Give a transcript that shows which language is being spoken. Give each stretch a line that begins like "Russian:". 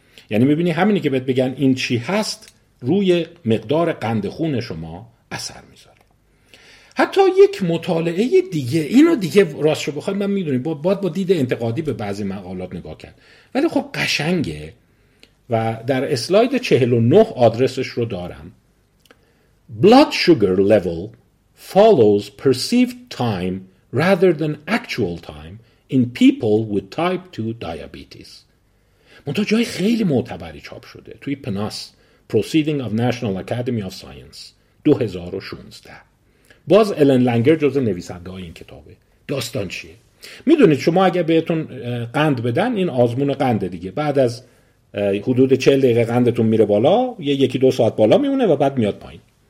Persian: یعنی میبینی همینی که بهت بگن این چی هست، روی مقدار قند خون شما اثر میذاره. حتی یک مطالعه دیگه، اینو دیگه راست شو بخواید من میدونیم با دید انتقادی به بعضی مقالات نگاه کرد، ولی خب قشنگه و در اسلاید 49 آدرسش رو دارم.
English: Blood sugar level follows perceived time rather than actual time in people with type 2 diabetes.
Persian: منتها جای خیلی معتبری چاپ شده، توی پناس Proceeding of National Academy of Science 2016. باز الن لانگر جز نویسنده های این کتابه. داستان چیه؟ میدونید شما اگه بهتون قند بدن، این آزمون قنده دیگه، بعد از حدود 40 دقیقه قندتون میره بالا، یه یکی دو ساعت بالا میمونه و بعد میاد پایین.